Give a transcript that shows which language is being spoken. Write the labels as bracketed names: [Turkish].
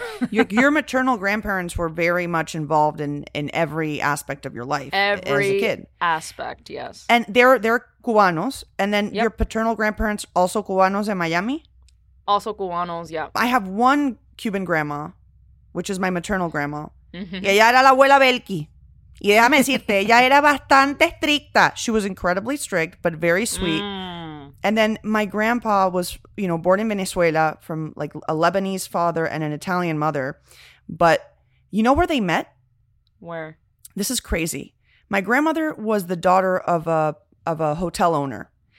[English] Your maternal grandparents were very much involved in every aspect of your life every as a kid. Aspect, yes. And they're Cubanos. And then yep. Your paternal grandparents, also Cubanos in Miami? Also Cubanos, yeah. I have one Cuban grandma, which is my maternal grandma. [Spanish] Y ella era la abuela Belki. Y déjame decirte, ella era bastante estricta. [English] She was incredibly strict, but very sweet. Mm. And then my grandpa was, you know, born in Venezuela from like a Lebanese father and an Italian mother. But you know where they met? Where? This is crazy. My grandmother was the daughter of a hotel owner.